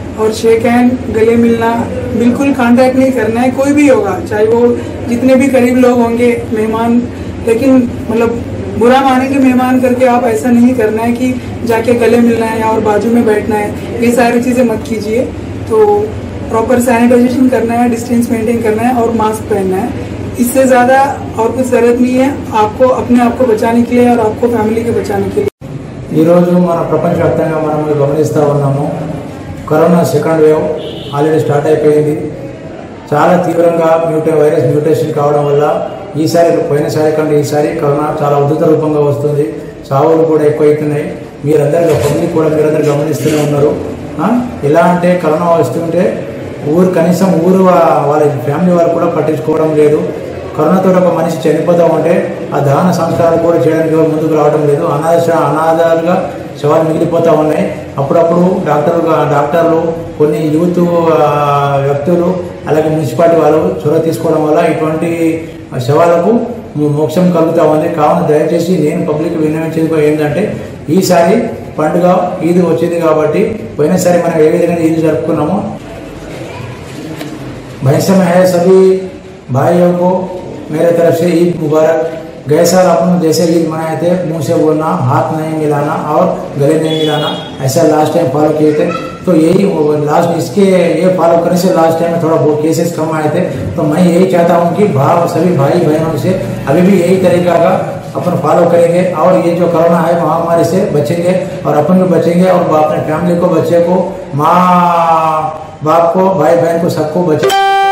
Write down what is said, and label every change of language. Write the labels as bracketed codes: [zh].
[hi] और shake hand, गले मिलना बिल्कुल कांटेक्ट नहीं करना है, कोई भी होगा, चाहे वो जितने भी करीब लोग होंगे मेहमान, लेकिन मतलब बुरा मानेंगे मेहमान करके, आप ऐसा नहीं करना है कि जाके गले मिलना है या और बाजू में बैठना है, ये सारी चीज़ें मत कीजिए। तो प्रॉपर सैनिटाइजेशन करना है, डिस्टेंस मेंटेन करना है, और मास्क पहनना है। इससे ज़्यादा और कुछ जरूरत नहीं है आपको, अपने आप को बचाने के लिए और आपको फैमिली के बचाने के लिए। [te] ఈరోజు మన ప్రపంచవ్యాప్తంగా మనం గమనిస్తూ ఉన్నాము corona second wave already start అయిపోయింది. చాలా తీవ్రంగా మ్యూటేషన్ కావడం వల్ల ఈసారి పోయినసారి కంటే ఈసారి కరోనా చాలా ఉధృత రూపంగా వస్తుంది, సావులు కూడా ఎక్కువైతున్నాయి. మీరందరూ కొన్ని కూడా మీరందరూ గమనిస్తూనే ఉన్నారు. ఎలా అంటే కరోనా వస్తుంటే ఊరు కనీసం ఊరు వాళ్ళ ఫ్యామిలీ వారు కూడా పట్టించుకోవడం లేదు. కరోనాతో ఒక మనిషి చనిపోతూ ఉంటే ఆ దహన సంస్కారాలు కూడా చేయడానికి ముందుకు రావడం లేదు. అనాథాలుగా శవాలు మిగిలిపోతూ ఉన్నాయి. అప్పుడప్పుడు డాక్టర్లు కొన్ని యూత్ వ్యక్తులు అలాగే మున్సిపాలిటీ వాళ్ళు చొరవ తీసుకోవడం వల్ల ఇటువంటి శవాలకు మోక్షం కలుగుతూ ఉంది. కావున దయచేసి నేను పబ్లిక్ విన్నవించేది ఏంటంటే, ఈసారి పండుగ ఈద్ వచ్చింది కాబట్టి పోయినసారి మనం ఏ విధంగా ఈద్ జరుపుకున్నామో భయసమహేశవి [hi] भाइयों को मेरे तरफ से ईद मुबारक। गए साल अपन जैसे ईद मनाए थे, मुंह से बोलना, हाथ नहीं मिलाना और गले नहीं मिलाना, ऐसा लास्ट टाइम फॉलो किए थे। तो यही लास्ट इसके ये फॉलो करने से लास्ट टाइम थोड़ा बहुत केसेस कम आए थे। तो मैं यही चाहता हूँ कि भाव सभी भाई बहनों से अभी भी यही तरीका का अपन फॉलो करेंगे, और ये जो कोरोना है महामारी से बचेंगे, और अपन भी बचेंगे, और अपने फैमिली को, बच्चे को, माँ बाप को, भाई बहन को, सबको बचेंगे।